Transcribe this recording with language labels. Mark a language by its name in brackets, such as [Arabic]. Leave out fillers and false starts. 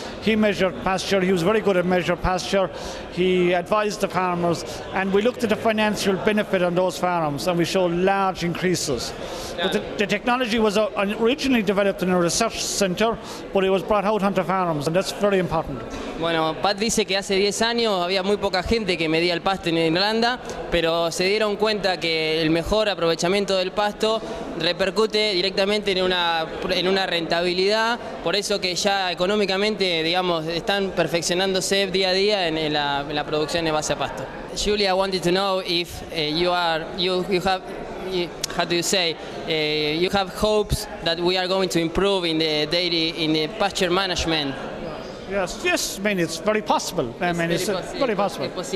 [English] He measured pasture. He was very good at measure pasture. He advised the farmers, and we looked at the financial benefit on those farms, and we showed large increases. Yeah. But the technology was originally developed in a research center, but it was brought out onto farms, and that's very important. [Spanish] Bueno, Pat dice que hace 10 años había muy poca gente que medía el pasto en Irlanda, pero se dieron cuenta que el mejor aprovechamiento del pasto repercute directamente en una rentabilidad, por eso que ya económicamente, digamos, están perfeccionándose día a día en la producción de base a pasto. [English] Julia wanted to know if you have hopes that we are going to improve in the dairy, in the pasture management. Yes, I mean, it's very possible. It's very possible.